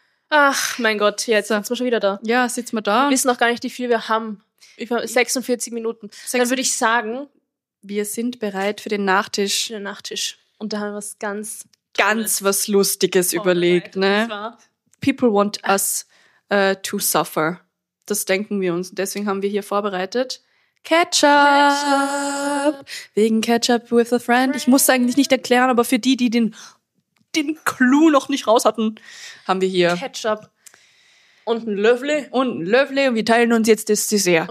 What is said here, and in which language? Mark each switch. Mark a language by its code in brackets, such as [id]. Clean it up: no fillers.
[de] Ach, mein Gott, jetzt sind wir schon wieder da. Ja, sitzen wir da. Wir wissen noch gar nicht, wie viel wir haben. 46 Minuten. Dann würde ich sagen, wir sind bereit für den Nachtisch. Für den Nachtisch. Und da haben wir was ganz Tolles. Ganz was Lustiges überlegt. Ne? [en] People want us to suffer. [de] Das denken wir uns. Deswegen haben wir hier vorbereitet Ketchup. Wegen Ketchup with a Friend. Ich muss es eigentlich nicht erklären, aber für die den Clou noch nicht raus hatten, haben wir hier Ketchup. Und ein Löffel. Und wir teilen uns jetzt das Dessert.